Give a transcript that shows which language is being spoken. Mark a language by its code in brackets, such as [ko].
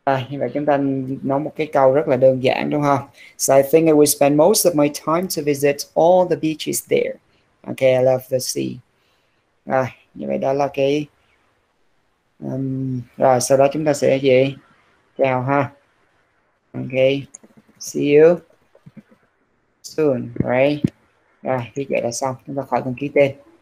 [vi] Như vậy chúng ta nói một cái câu rất là đơn giản đúng không? [en] So I think I will spend most of my time to visit all the beaches there. Okay, I love the sea. [vi] Rồi, như vậy đó là cái rồi sau đó chúng ta sẽ gì? Chào ha. Okay. [en] See you soon, right? [vi] Rồi, như vậy là xong. Chúng ta khỏi cần ký tên.